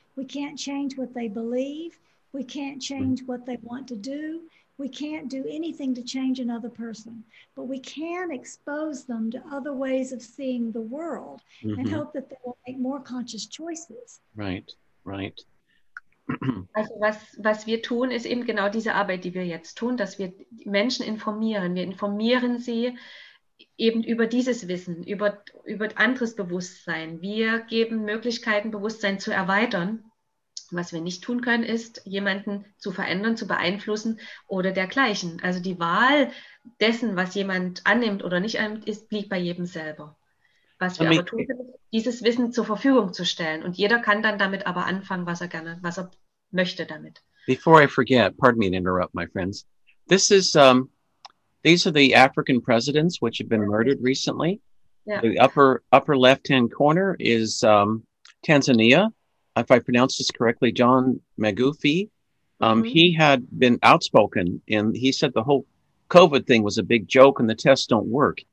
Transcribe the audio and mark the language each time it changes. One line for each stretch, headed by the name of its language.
English: We can't change what they believe. We can't change what they want to do. We can't do anything to change another person. But we can expose them to other ways of seeing the world and hope that they will make more conscious choices. Right, right.
German: Also was wir tun, ist eben genau diese Arbeit, die wir jetzt tun, dass wir Menschen informieren. Wir informieren sie eben über dieses Wissen, über anderes Bewusstsein. Wir geben Möglichkeiten, Bewusstsein zu erweitern. Was wir nicht tun können, ist, jemanden zu verändern, zu beeinflussen oder dergleichen. Also die Wahl dessen, was jemand annimmt oder nicht annimmt, ist, liegt bei jedem selber. Was wir aber tun können, dieses Wissen zur Verfügung zu stellen. Und jeder kann dann damit aber anfangen, was er gerne, was er möchte damit.
English: Before I forget, pardon me to interrupt, my friends. This is... These are the African presidents, which have been murdered recently. Yeah. The upper left-hand corner is Tanzania. If I pronounce this correctly, John Magufi. He had been outspoken, and he said the whole COVID thing was a big joke and the tests don't work.